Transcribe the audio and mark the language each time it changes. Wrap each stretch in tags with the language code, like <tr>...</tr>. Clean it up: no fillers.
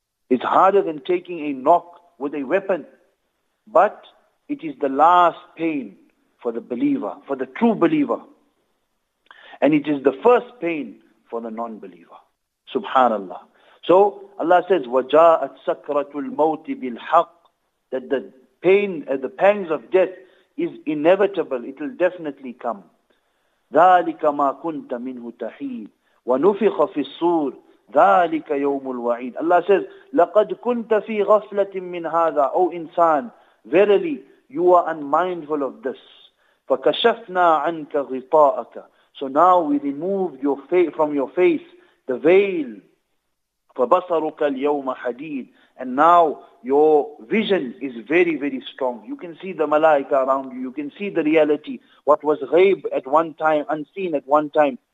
<en>It's harder than taking a knock with a weapon. But it is the last pain for the believer, for the true believer. And it is the first pain for the non-believer. Subhanallah. So Allah says,</en> <ar>وَجَاءَتْ سَكْرَةُ الْمَوْتِ بِالْحَقِّ</ar> <en>That the pain, the pangs of death is inevitable. It will definitely come.</en> <ar>ذَلِكَ مَا كُنْتَ مِنْهُ تَحِيدُ وَنُفِخَ فِي الصُّورِ ذَلِكَ يَوْمُ الْوَعِيدِ</ar> <en>Allah says,</en> <ar>لَقَدْ كُنْتَ فِي غَفْلَةٍ مِّنْ هَذَا</ar> <en>O insan, verily, you are unmindful of this.</en> <ar>فَكَشَفْنَا عَنْكَ غِطَاءَكَ</ar> <en>So now we remove your from your face the veil.</en> <ar>فَبَصَرُكَ الْيَوْمَ حَدِيدٌ</ar> <en>And now your vision is very, very strong. You can see the malaika around you. You can see the reality. What was ghaib at one time, unseen at one time.</en>